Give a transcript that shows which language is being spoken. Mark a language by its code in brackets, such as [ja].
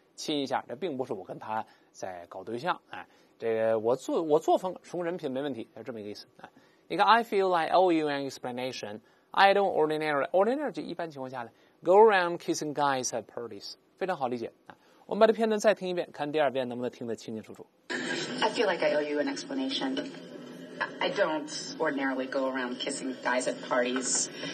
[zh] 亲一下，这并不是我跟他在搞对象，哎，这个我作风熟人品没问题，是这么一个意思。你看 [en] I feel like owe you an explanation. I don't ordinarily [zh] 就一般情况下呢 [en] go around kissing guys at parties. [zh] 非常好理解。我们把这片段再听一遍，看第二遍能不能听得清清楚楚。 [en] I feel like I owe you an explanation. I don't ordinarily go around kissing guys at parties.